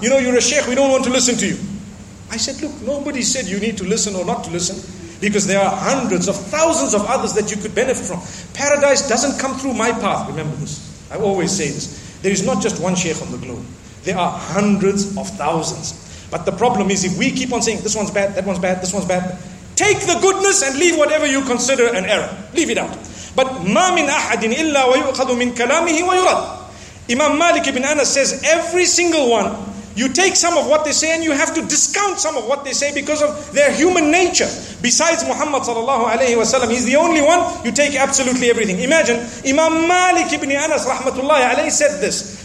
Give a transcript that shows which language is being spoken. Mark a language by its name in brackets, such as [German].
[English] You know, you're a sheikh, we don't want to listen to you. I said, look, nobody said you need to listen or not to listen, because there are hundreds of thousands of others that you could benefit from. Paradise doesn't come through my path, remember this. I always say this. There is not just one sheikh on the globe. There are hundreds of thousands. But the problem is, if we keep on saying, this one's bad, that one's bad, this one's bad, take the goodness and leave whatever you consider an error. Leave it out. But [Arabic] مَا مِنْ أَحَدٍ إِلَّا وَيُؤْخَذُ مِنْ كَلَامِهِ وَيُرَدْ. [English] Imam Malik ibn Anas says, every single one, you take some of what they say and you have to discount some of what they say because of their human nature. Besides Muhammad sallallahu alayhi wa sallam, he's the only one, you take absolutely everything. Imagine, Imam Malik ibn Anas rahmatullahi alayhi said this.